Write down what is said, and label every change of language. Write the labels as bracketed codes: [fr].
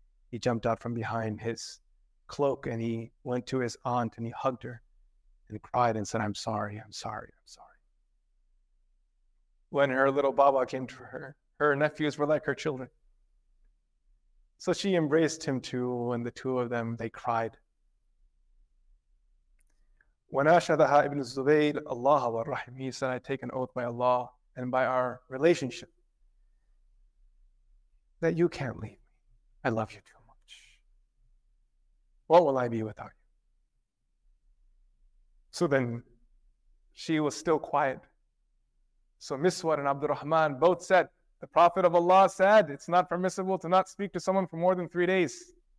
[en] He jumped out from behind his cloak and he went to his aunt and he hugged her and cried and said, I'm sorry, I'm sorry, I'm sorry. When her little Baba came to her, her nephews were like her children. So she embraced him too, and the two of them, they cried. [ar] وَنَاشَدَهَا ibn Zubayr اللَّهَ وَالرَّحِمِ. [en] He said, I take an oath by Allah and by our relationship that you can't leave me. I love you too much. What will I be without you? So then she was still quiet. So Miswar and Abdul Rahman both said, the Prophet of Allah said, it's not permissible to not speak to someone for more than 3 days.